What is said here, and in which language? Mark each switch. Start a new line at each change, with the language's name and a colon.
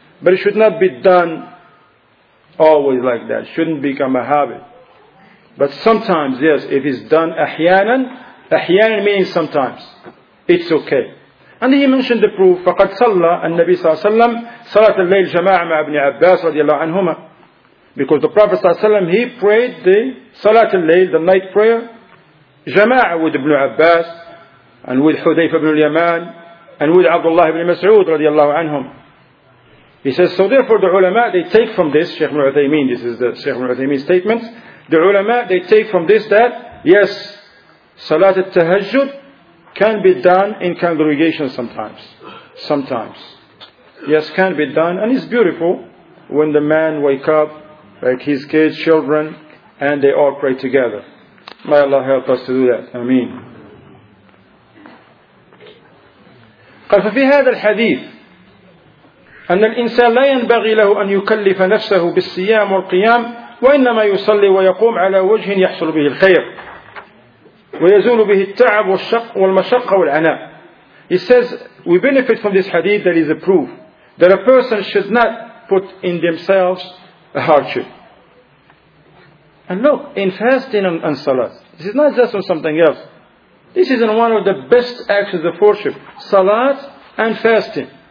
English: But it should not be done always like that. It shouldn't become a habit. But sometimes, yes, if it's done ahyanan, ahyanan means sometimes. It's okay. And he mentioned the proof.
Arabic: فَقَدْ صَلَّى النَّبِي صَلَّى اللَّهُ عَلَيْهِ وَسَلَّمَ صَلَاتَ اللَّيْلِ جَمَاعَ مَعَ ابْنِ عَبَّاسِ رَضِيَ اللَّهُ عَنْهُمَا.
English: Because the Prophet
Arabic: صَلَّى اللَّهُ عَلَيْهِ وَسَلَّمَ,
English: he prayed the صَلَاتَ اللَّيْلِ, the night prayer, جَمَاعَ with ابْنُ عَبَّاسِ and with حُذَيْفَ ابْنُ الْيَمَانِ and with عَبْدُ ابْنِ مَسْعُودِ
Arabic: رَضِيَ اللَّهُ عَنْهُمْ.
English: He says, so therefore the ulama, they take from this, Shaykh Ibn Uthaymeen, this is the Shaykh Ibn Uthaymeen's statement, the ulama, they take from this that, yes, Salat al-Tahajjud can be done in congregation sometimes. Sometimes. Yes, can be done. And it's beautiful when the man wake up, like his kids, children, and they all pray together. May Allah help us to do that. Ameen.
Arabic: قال ففي هذا الحديث أن الإنسان لا ينبغي له أن يكلف نفسه بالصيام والقيام وإنما يصلي ويقوم على وجه يحصل به الخير ويزول به التعب والشق والمشقة والعناء.
English: He says we benefit from this hadith that is a proof that a person should not put in themselves a hardship. And look, in fasting and salat, this is not just on something else. This is in one of the best actions of worship. Salat and fasting.